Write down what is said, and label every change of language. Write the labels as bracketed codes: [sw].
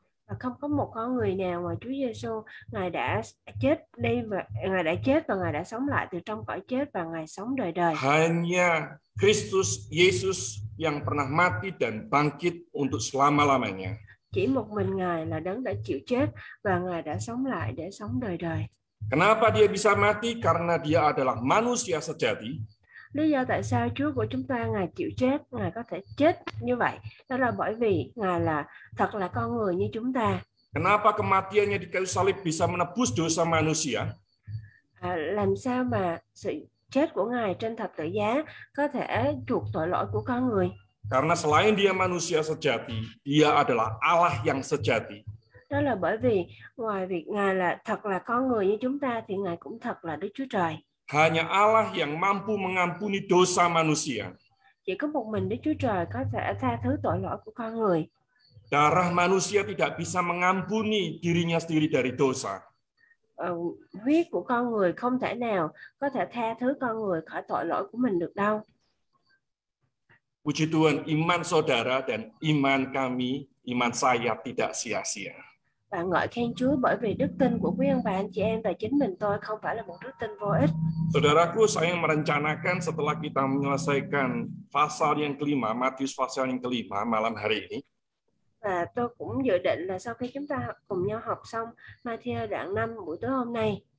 [vi] Và không có một con người nào ngoài Chúa Giêsu ngài đã chết đi và ngài đã chết và ngài đã sống lại từ trong cõi chết và ngài sống đời đời. [id] Hanya Kristus Yesus yang pernah mati dan bangkit untuk selama-lamanya. [vi] Chỉ một mình ngài là đấng đã chịu chết và ngài đã sống lại để sống đời đời. [id] Kenapa dia bisa mati? Karena dia adalah manusia sejati. [vi] Lý do tại sao Chúa của chúng ta ngài chịu chết, ngài có thể chết như vậy? Đó là bởi vì ngài là thật là con người như chúng ta. [id] Kenapa kematiannya di kayu salib bisa menebus dosa manusia? [vi] Làm sao mà sự chết của ngài trên thập tự giá có thể chuộc tội lỗi của con người? [id] Karena selain dia manusia sejati, dia adalah Allah yang sejati. [vi] Đó là bởi vì ngoài việc ngài là thật là con người như chúng ta thì ngài cũng thật là Đức Chúa Trời. [id] Hanya Allah yang mampu mengampuni dosa manusia. [vi] Chỉ có một mình Đức Chúa Trời có thể tha thứ tội lỗi của con người. [id] Darah manusia tidak bisa mengampuni dirinya sendiri dari dosa. [vi] Huyết của con người không thể nào có thể tha thứ con người khỏi tội lỗi của mình được đâu. [id] Puji Tuhan, iman saudara dan iman kami, iman saya tidak sia-sia. [vi] Và ngợi khen Chúa bởi vì đức tin của quý ông bà anh chị em và chính mình tôi không phải là một đức tin vô ích. [id] Saudaraku, saya merencanakan setelah kita menyelesaikan pasal yang kelima, Matius pasal yang kelima malam hari ini. [vi] Và tôi cũng dự định là sau khi chúng ta cùng nhau học xong Matius đoạn 5 buổi tối hôm nay.